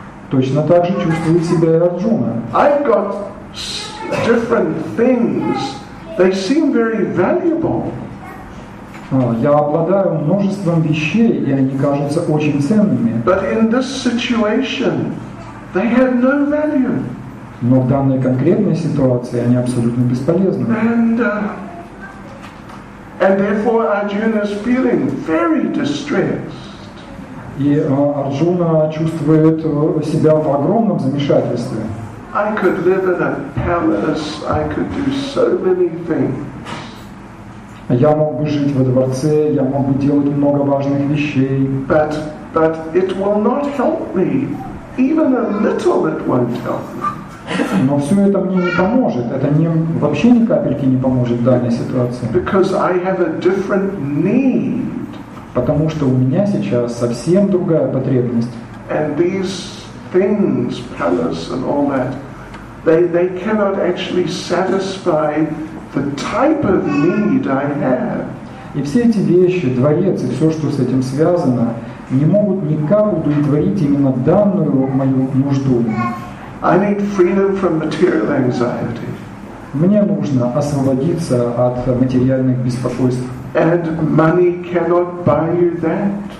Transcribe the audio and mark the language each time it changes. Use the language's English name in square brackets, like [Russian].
[Russian] Точно так же чувствует себя и Арджуна. [English] I've got different things. They seem very valuable. [Russian] Я обладаю множеством вещей, и они кажутся очень ценными. [English] But in this situation, they have no value. [Russian] Но в данной конкретной ситуации они абсолютно бесполезны. [English] And therefore Arjuna is feeling very distressed. [Russian] И Арджуна чувствует себя в огромном замешательстве. [English] I could live in a palace, I could do so many things. [Russian] Я мог бы жить во дворце, я мог бы делать много важных вещей. [English] But it will not help me. Even a little it won't help me. [Russian] Но все это мне не поможет. Это мне вообще ни капельки не поможет в данной ситуации. [English] Because I have a different need. [Russian] Потому что у меня сейчас совсем другая потребность. [English] And these things, palace and all that, they cannot actually satisfy the type of need I have. [Russian] И все эти вещи, дворец и все, что с этим связано, не могут никак удовлетворить именно данную мою нужду. [English] I need freedom from material anxiety. [Russian] Мне нужно освободиться от материальных беспокойств. [English] And money cannot buy you that.